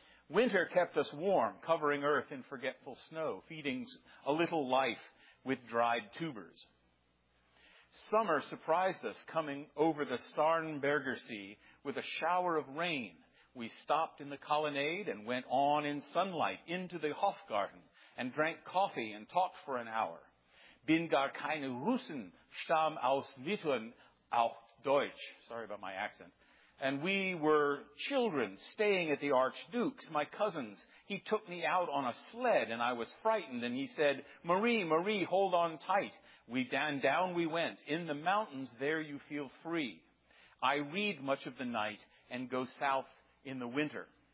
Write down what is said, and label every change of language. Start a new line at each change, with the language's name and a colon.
English: Winter kept us warm, covering earth in forgetful snow, feeding a little life with dried tubers. Summer surprised us, coming over the Starnberger Sea with a shower of rain. We stopped in the colonnade and went on in sunlight into the Hofgarten and drank coffee and talked for an hour.
German: Bin gar keine Russen, stamm aus Litauen, auch Deutsch.
English: Sorry about my accent. And we were children staying at the Archduke's, my cousins. He took me out on a sled, and I was frightened, and he said, Marie, hold on tight. Down we went. In the mountains, there you feel free. I read much of the night and go south in the winter.